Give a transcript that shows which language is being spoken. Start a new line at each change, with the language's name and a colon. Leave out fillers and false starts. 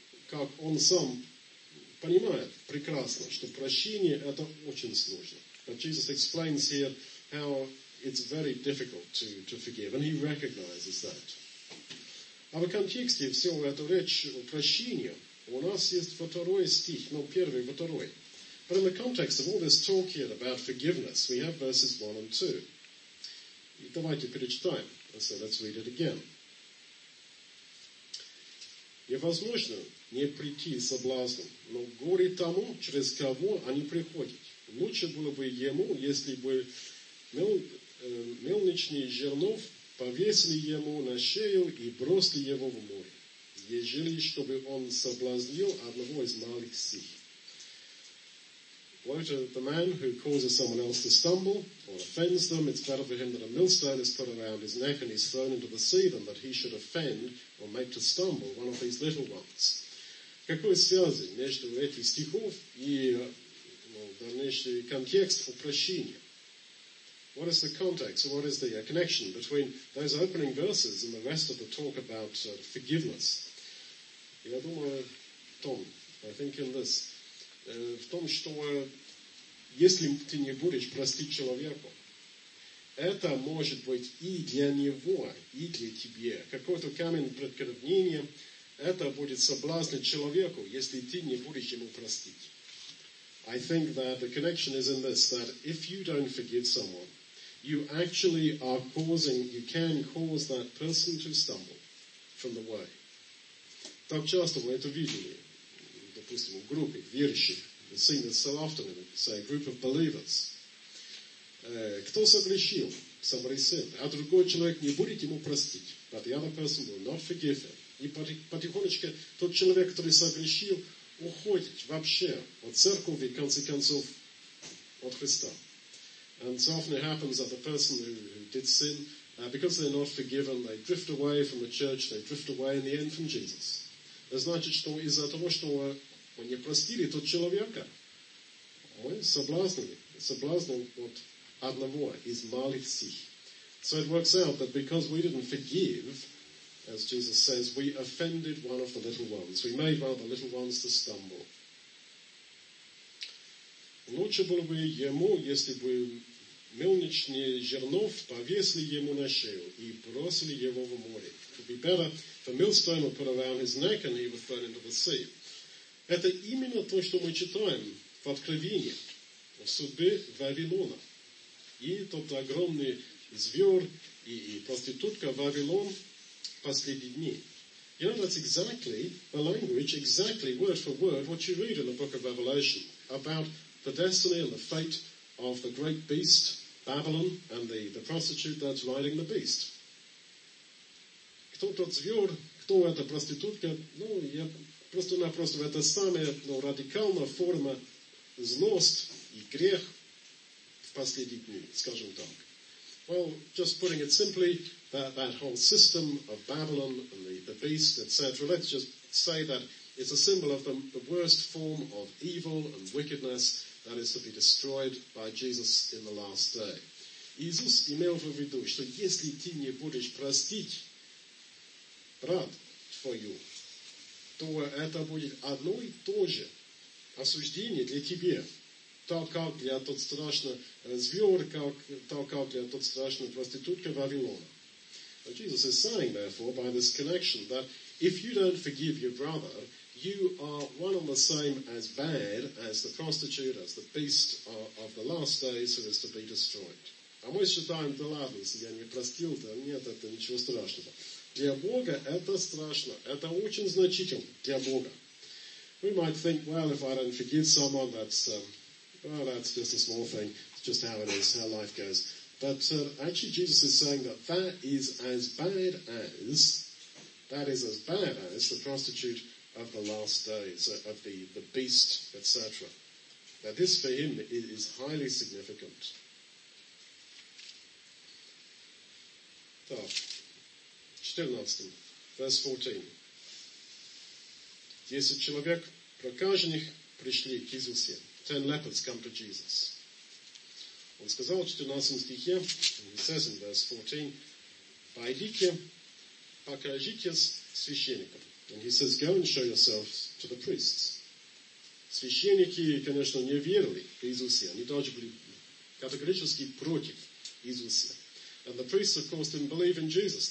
Russian: Как он сам понимает прекрасно, что прощение – это очень сложно.
English: But Jesus explains here how it's very difficult to forgive. And he recognizes that.
Russian: А в контексте всего этого речь о прощении. У нас есть второй стих, но первый, второй.
English: But in the context of all this talk here about forgiveness, we have verses 1 and 2.
Russian: И давайте перечитаем.
English: So let's read it again.
Russian: Невозможно не прийти соблазном, но горе тому, через кого они приходят. Лучше было бы ему, если бы мельничный жернов повесили ему на шею и бросили его в море. Ежели, чтобы он соблазнил одного из малых сих.
English: Woe to the man who causes someone else to stumble or offends them. It's better for him that a millstone is put around his neck and he's thrown into the sea than that he should offend or make to stumble one of these little ones.
Russian: Какой связи между этих стихов и дальнейший контекст о прощении?
English: What is the context, what is the connection between those opening verses and the rest of the talk about forgiveness?
Russian: Я думаю, Том,
English: I think in this,
Russian: в том, что если ты не будешь простить человеку, это может быть и для него, и для тебя. Какой-то камень преткновения, это будет соблазн человеку, если ты не будешь ему простить.
English: I think that the connection is in this, that if you don't forgive someone, you actually are causing, you can cause that person to stumble from the way.
Russian: Так часто мы это видели, допустим, в группе верующих.
English: We sing this so often, say a group of believers.
Russian: Кто согрешил?
English: Somebody sinned.
Russian: А другой человек не будет ему простить.
English: But the other person will not forgive him.
Russian: И потихонечку тот человек, который согрешил, уходит вообще от церкви, в конце концов, от Христа.
English: And so often it happens that the person who did sin, because they're not forgiven, they drift away from the church, they drift away in the end from Jesus.
Russian: Это значит, что из-за того, что мы не простили тот человека, мы соблазнены от одного из малых сих.
English: So it works out that because we didn't forgive, as Jesus says, we offended one of the little ones. We made one of the little ones to stumble.
Russian: Лучше было бы ему, если бы мельничный жернов повесили ему на шею и бросили его в море.
English: It would be better if a millstone were put around his neck and he was thrown into the sea.
Russian: Это именно то, что мы читаем в Откровении о судьбе Вавилона. И тот огромный зверь и проститутка Вавилон последние дни.
English: You know, that's exactly the language, exactly word for word, what you read in the book of Revelation about the destiny and the fate of the great beast, Babylon, and the prostitute that's riding the beast.
Russian: Кто тот зверь, кто эта проститутка? Ну, я просто-напросто в это самое, но радикальная форма злость и грех в последние дни, скажем так.
English: Well, just putting it simply, that whole system of Babylon and the beast, etc. Let's just say that it's a symbol of the worst form of evil and wickedness that is to be destroyed by Jesus in the last day.
Russian: Иисус имел в виду, что если ты не будешь простить брат твою, то это будет одно и то же осуждение для тебя. Так как для тот страшный зверь, так как для тот страшный проститутка Вавилона.
English: But Jesus is saying, therefore, by this connection, that if you don't forgive your brother, you are one and the same as bad as the prostitute, as the beast of the last days who is to be destroyed.
Russian: А мы считаем, да ладно, если я не простил, да нет, это ничего страшного. Для Бога это страшно, это очень значительно для Бога.
English: We might think, well, if I don't forgive someone, that's just a small thing, it's just how it is, how life goes. But actually Jesus is saying that is as bad as the prostitute of the last days, of the beast, etc. That this for him is highly significant.
Russian: Так, 14,
English: verse 14.
Russian: 10 человек прокаженных пришли к Иисусе.
English: 10 lepers come to Jesus.
Russian: Он сказал в 14 стихе,
English: he says in verse 14,
Russian: «Пойдите, покажитесь священникам».
English: And he says, go and show yourselves to the priests.
Russian: Священники, конечно, не верили в Иисусе. Они даже были категорически против Иисуса.
English: And the priests, of course, didn't believe in Jesus.